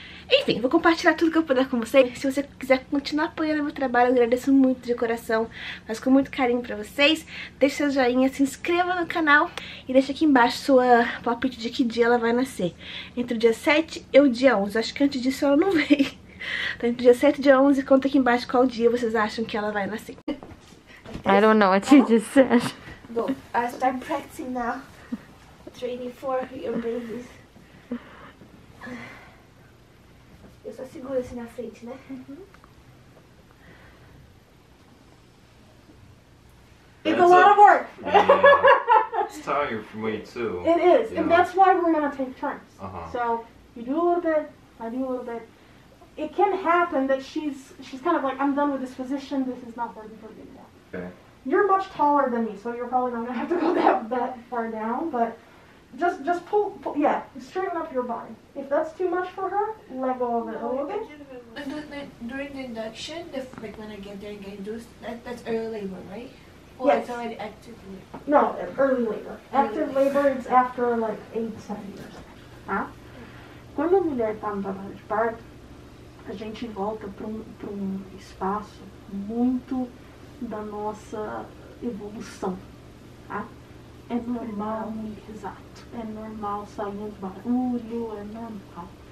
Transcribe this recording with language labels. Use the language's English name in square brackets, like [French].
[Portuguese] Enfim, vou compartilhar tudo que eu puder com vocês. Se você quiser continuar apoiando meu trabalho, eu agradeço muito de coração, mas com muito carinho pra vocês. Deixe seu joinha, se inscreva no canal e deixe aqui embaixo sua palpite de que dia ela vai nascer. Entre o dia 7 e o dia 11. Acho que antes disso ela não veio. Então, entre o dia 7 e dia 11, conta aqui embaixo qual dia vocês acham que ela vai nascer. [English] I don't know what you just said. Go. I start practicing now. Training for your babies. [Portuguese] Eu só seguro assim na frente, né? [English] Uhum. It's a lot of work! It's tiring for me too. It is, yeah. And that's why we're gonna take turns. Uh-huh. So, you do a little bit, I do a little bit. It can happen that she's kind of like, I'm done with this position, this is not working for me anymore. Okay. You're much taller than me, so you're probably not gonna have to go that far down, but Just pull, yeah, straighten up your body. If that's too much for her, let go of it a little bit. During the induction, when I get there and get induced, that's early labor, right? Or yes. It's already active labor? No, early labor. Active labor is after like 8-7 years. Ah? [Portuguese] Quando a mulher está no trabalho de parto, a gente volta para um espaço muito da nossa evolução. Ah? É normal, exato. É normal sair os barulho, é normal.